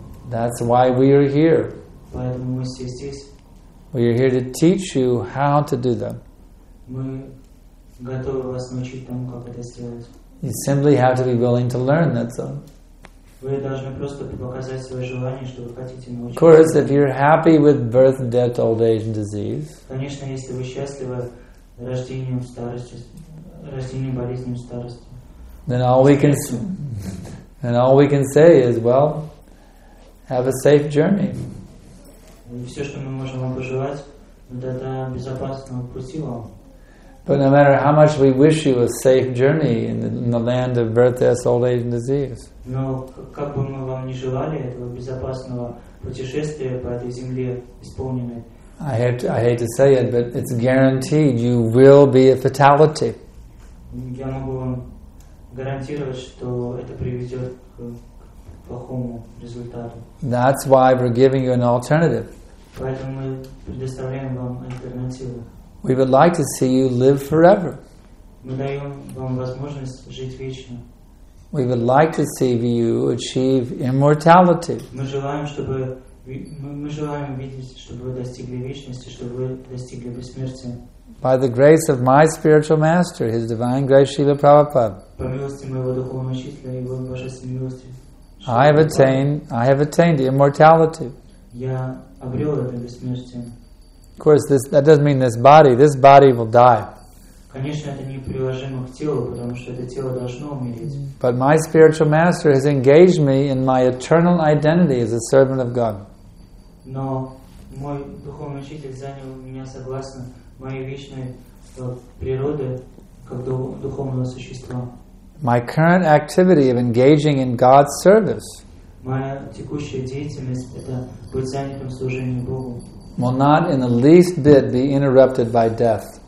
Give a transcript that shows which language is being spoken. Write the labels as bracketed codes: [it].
[en] That's why we are here. We are here to teach you how to do that. [ru] Готовы вас научить тому, как это сделать. [en] You simply have to be willing to learn, that's all. [ru] Вы должны просто показать свое желание, что вы хотите научиться. [en] Of course, if you're happy with birth, death, old age, and disease. [ru] Конечно, если вы счастливы рождением, старостью, рождением, болезнью, старостью. [en] Then all we can say is, well, have a safe journey. [ru] Все, что мы можем вам пожелать, это безопасного пути вам. [en] But no matter how much we wish you a safe journey in the land of birth, death, old age, and disease. [ru] Но как бы мы вам не желали этого безопасного путешествия по этой земле исполненной. [en] I hate to say it, but it's guaranteed you will be a fatality. [ru] Я могу вам гарантировать, что это приведет к плохому результату. [en] That's why we're giving you an alternative. [ru] Поэтому мы предоставляем вам альтернативу. [en] We would like to see you live forever. [ru] Мы даем вам возможность жить вечно. [en] We would like to see you achieve immortality. [ru] Мы желаем видеть, чтобы вы достигли вечности, чтобы вы достигли бессмертия. [en] By the grace of my spiritual master, His Divine Grace Srila Prabhupada. [ru] По милости моего духовного учителя и его божественной милости. [en] I have attained immortality. [ru] Я обрел это бессмертие. [en] Of course, that doesn't mean this body. This body will die. [ru] Конечно, это не приложимо к телу, потому что это тело должно умереть. [en] But my spiritual master has engaged me in my eternal identity as a servant of God. [ru] Но мой духовный учитель занял меня согласно моей вечной природе как духовного существа. [en] My current activity of engaging in God's service. [ru] Моя текущая деятельность это быть занятым служением Богу. [en] Will not in the least bit be interrupted by death.